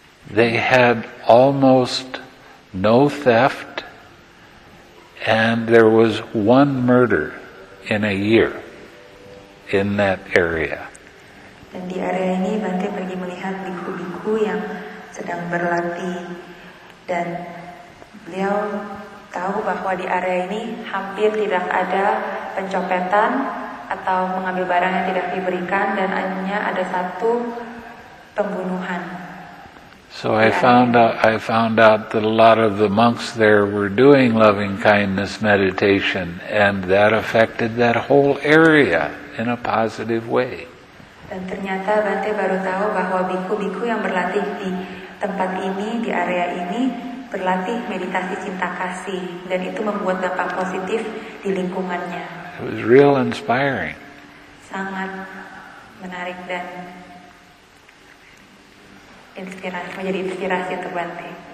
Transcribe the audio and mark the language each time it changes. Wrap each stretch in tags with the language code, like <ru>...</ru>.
<en>They had almost no theft, and there was one murder in a year in that area.</en> <id>Dan di area ini Bante pergi melihat biku-biku yang sedang berlatih, dan beliau tahu bahwa di area ini hampir tidak ada pencopetan atau mengambil barang yang tidak diberikan, dan hanya ada satu pembunuhan.</id> <en>So I found out that a lot of the monks there were doing loving kindness meditation, and that affected that whole area in a positive way.</en> <id>Dan ternyata Bante baru tahu bahwa biku-biku yang berlatih di tempat ini, di area ini, berlatih meditasi cinta kasih, dan itu membuat dampak positif di lingkungannya.</id> <en>It was real inspiring.</en> <id>Sangat menarik dan inspirasi, menjadi inspirasi untuk Bante.</id>